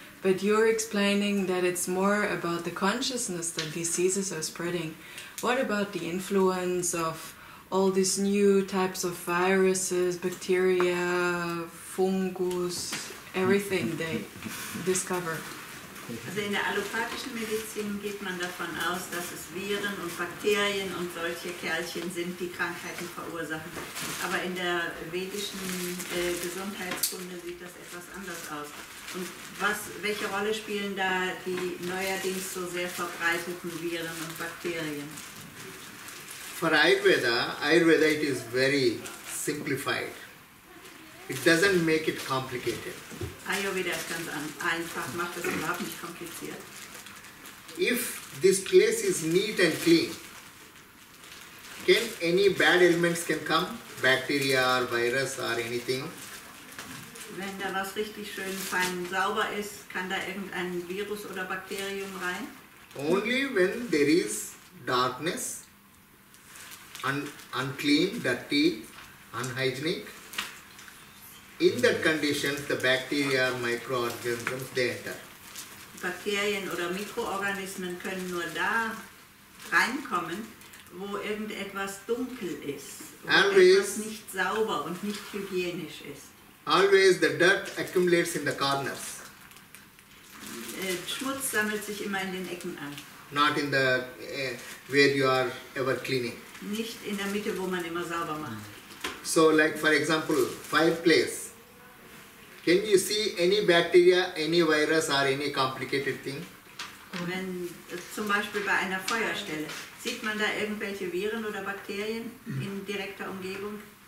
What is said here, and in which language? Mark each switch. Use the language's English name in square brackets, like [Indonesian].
[English] But you're explaining that it's more about the consciousness that diseases are spreading. What about the influence of all these new types of viruses, bacteria, fungus, everything they discover? [German] Also in der allopathischen Medizin geht man davon aus, dass es Viren und Bakterien und solche Kerlchen sind, die Krankheiten verursachen. Aber in der vedischen Gesundheitskunde sieht das etwas anders aus. Und welche Rolle spielen da die neuerdings so sehr verbreiteten Viren und Bakterien? [English] For Ayurveda it is very simplified. It doesn't make it complicated. [German] Ayurveda ist ganz einfach, macht es überhaupt nicht kompliziert. [English] If this place is neat and clean, can any bad elements can come? Bacteria or virus or anything? [German] Wenn da was richtig schön fein sauber ist, kann da irgendein Virus oder Bakterium rein? [English] Only when there is darkness, unclean, dirty, unhygienic, in that condition, the bacteria or microorganisms, they enter. [German] Bakterien oder Mikroorganismen können nur da reinkommen, wo irgendetwas dunkel ist, etwas nicht sauber und nicht hygienisch ist. [English] Always the dirt accumulates in the corners. [German] Schmutz sammelt sich immer in den Ecken an. [English] Not in the where you are ever cleaning. [German] Nicht in der Mitte, wo man immer sauber macht. [English] So, like for example, fireplace. Can you see any bacteria, any virus or any complicated thing? [German] Wenn zum Beispiel bei einer Feuerstelle, sieht man da irgendwelche Viren oder Bakterien in direkter Umgebung?